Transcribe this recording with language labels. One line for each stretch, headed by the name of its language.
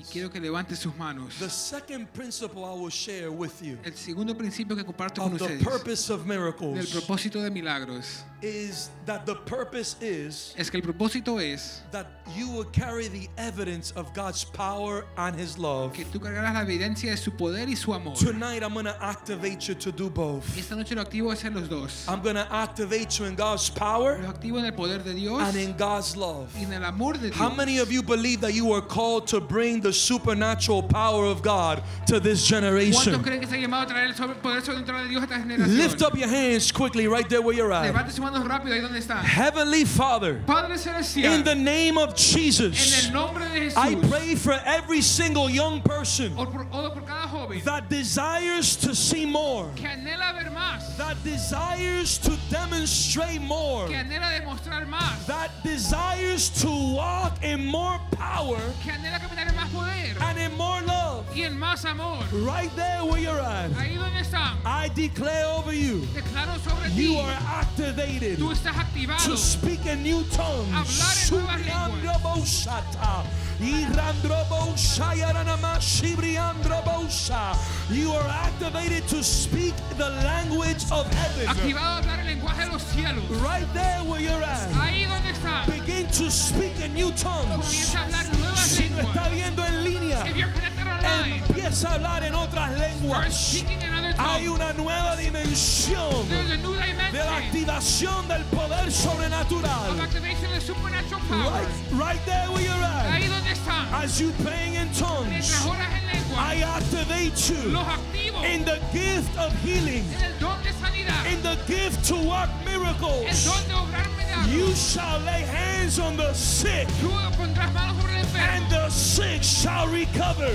Spanish: Y quiero que levante sus manos.
English: The second principle I will share with you.
Spanish: El segundo principio que comparto con ustedes.
English: The purpose of miracles.
Spanish: Del propósito de milagros.
English: Is that the purpose is.
Spanish: Es que el propósito es.
English: That you will carry the evidence of God's power and His love.
Spanish: Que tú cargarás la evidencia de su poder y su amor.
English: Tonight I'm going to activate you to do both.
Spanish: Esta noche lo activo a hacer los dos.
English: I'm going to activate you in God's power.
Spanish: Lo activo en el poder de Dios.
English: And in God's love.
Spanish: Y en el amor de Dios.
English: How many of you believe that you are called to bring the supernatural power of God to this generation?
Spanish: ¿Cuántos creen que se ha llamado a traer el poder sobrenatural de Dios a esta generación?
English: Lift up your hands quickly right there where you're at. Heavenly Father, in the name of Jesus, I pray for every single young person that desires to see more, that desires to demonstrate more, that desires to walk in more power and in more love. Right there where you're at, I declare over you, you are activated to speak in new tongues. You are activated to speak the language of heaven. Right there where you're at. Begin to speak in new tongues.
Spanish: Si no está viendo en línea, empieza a hablar en otras lenguas. Hay una nueva dimensión de la activación del poder sobrenatural.
English: Right there where you're at. As you praying in tongues, I activate you in the gift of healing, in the gift to work miracles. You shall lay hands on the sick, and the sick shall recover.